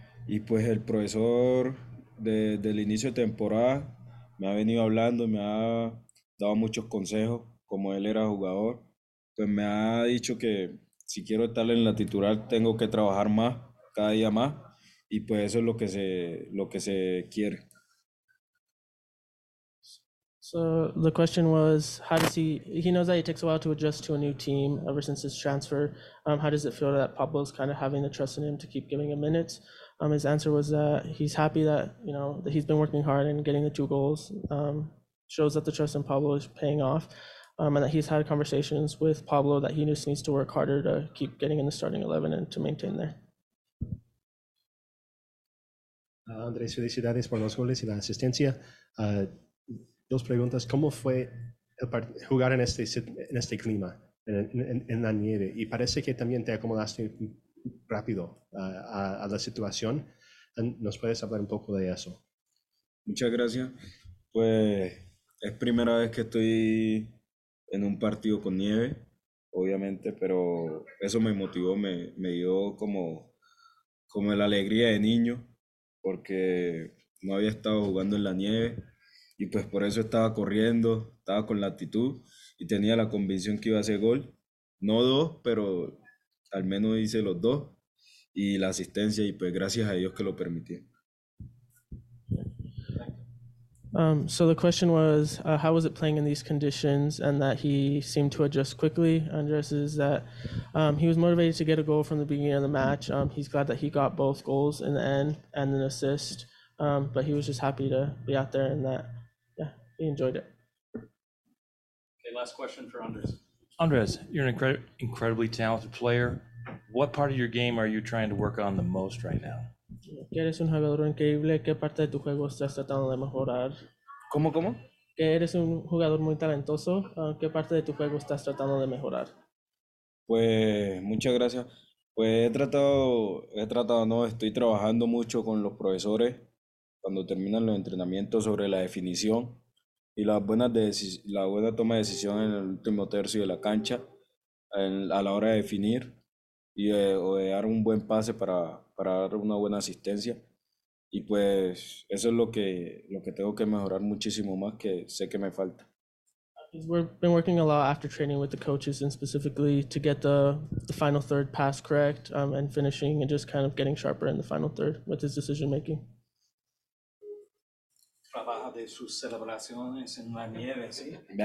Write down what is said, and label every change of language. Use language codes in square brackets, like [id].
[es] Y pues el profesor desde el inicio de temporada me ha venido hablando y me ha dado muchos consejos, como él era jugador, pues me ha dicho que si quiero estar en la titular tengo que trabajar más, cada día más. Y pues eso es lo que se quiere. [en] So the question was, how does he knows that it takes a while to adjust to a new team ever since his transfer. How does it feel that Pablo's kind of having the trust in him to keep giving him minutes? His answer was that he's happy that, you know, that he's been working hard and getting the two goals shows that the trust in Pablo is paying off, and that he's had conversations with Pablo that he just needs to work harder to keep getting in the starting 11 and to maintain there. [es] Andrés, felicidades por los goles y la asistencia. Dos preguntas. ¿Cómo fue jugar en este clima, en la nieve? Y parece que también te acomodaste rápido a la situación. ¿Nos puedes hablar un poco de eso? Muchas gracias. Pues es primera vez que estoy en un partido con nieve, obviamente, pero eso me motivó, me dio como la alegría de niño, porque no había estado jugando en la nieve y pues por eso estaba corriendo, estaba con la actitud y tenía la convicción que iba a hacer gol. No dos, pero al menos hice los dos y la asistencia, y pues gracias a Dios que lo permití. [en] So the question was, how was it playing in these conditions, and that he seemed to adjust quickly. Andres is that he was motivated to get a goal from the beginning of the match. He's glad that he got both goals in the end and an assist, but he was just happy to be out there and that, yeah, he enjoyed it. Okay, last question for Andres. Andres, you're an incredibly talented player. What part of your game are you trying to work on the most right now? [es] Que eres un jugador increíble. ¿Qué parte de tu juego estás tratando de mejorar? ¿Cómo? Que eres un jugador muy talentoso. ¿Qué parte de tu juego estás tratando de mejorar? Pues, muchas gracias. Pues estoy trabajando mucho con los profesores cuando terminan los entrenamientos sobre la definición y la buena toma de decisión en el último tercio de la cancha a la hora de definir y de dar un buen pase para dar una buena asistencia, y pues eso es lo que tengo que mejorar muchísimo más, que sé que me falta. [en] We've been working a lot after training with the coaches, and specifically to get the final third pass correct, and finishing, and just kind of getting sharper in the final third with his decision making. [es] Trabaja de sus celebraciones en la nieve, ¿sí?